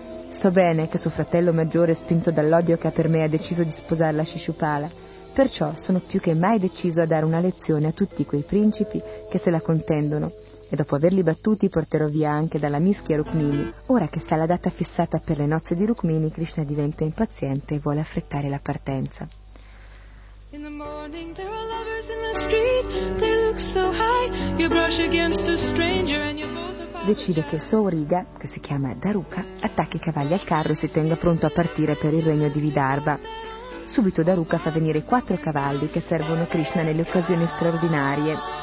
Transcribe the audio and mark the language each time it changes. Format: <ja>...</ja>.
<it>So bene che suo fratello maggiore, spinto dall'odio che ha per me, ha deciso di sposarla Shishupala. Perciò sono più che mai deciso a dare una lezione a tutti quei principi che se la contendono, e dopo averli battuti porterò via anche dalla mischia Rukmini». Ora che sa la data fissata per le nozze di Rukmini, Krishna diventa impaziente e vuole affrettare la partenza.</it> <en>In the morning there are lovers in the street, they look so high, you brush against a stranger and you both are...</en> <it>Decide che Souriga, che si chiama Daruka, attacchi i cavalli al carro e si tenga pronto a partire per il regno di Vidarbha. Subito Daruka fa venire 4 cavalli che servono Krishna nelle occasioni straordinarie.</it>